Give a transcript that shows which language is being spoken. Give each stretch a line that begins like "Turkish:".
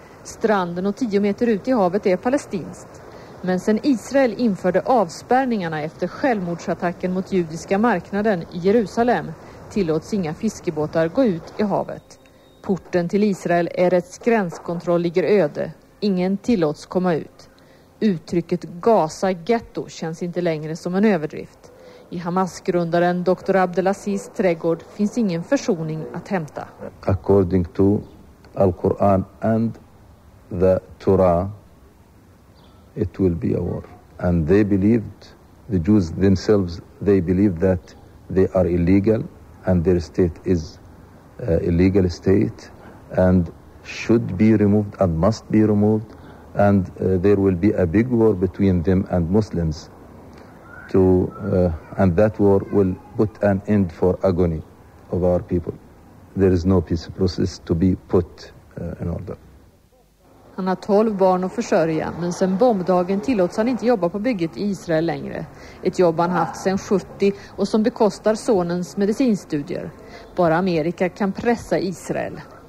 Swedish: Stranden och 10 meter ut i havet är palestinskt. Men sedan Israel införde avspärrningarna efter självmordsattacken mot judiska marknaden i Jerusalem tillåts inga fiskebåtar gå ut i havet. Porten till Israel är ett gränskontroll ligger öde. Ingen tillåts komma ut. Uttrycket Gaza ghetto känns inte längre som en överdrift. I Hamas-grundaren Dr. Abdelaziz trädgård finns ingen försoning att hämta.
English: According to Al-Quran and the Torah, it will be a war. And they believed, the Jews themselves, they believed that they are illegal and their state is illegal state and should be removed and must be removed. And there will be a big war between them and Muslims. And that war will put an end for agony of our people. There is no peace process to be put in order.
Swedish: Han har 12 barn att försörja, men sen bombdagen tillåts han inte jobba på bygget i Israel längre. Ett jobb han haft sedan 70 och som bekostar sonens medicinstudier. Bara Amerika kan pressa Israel.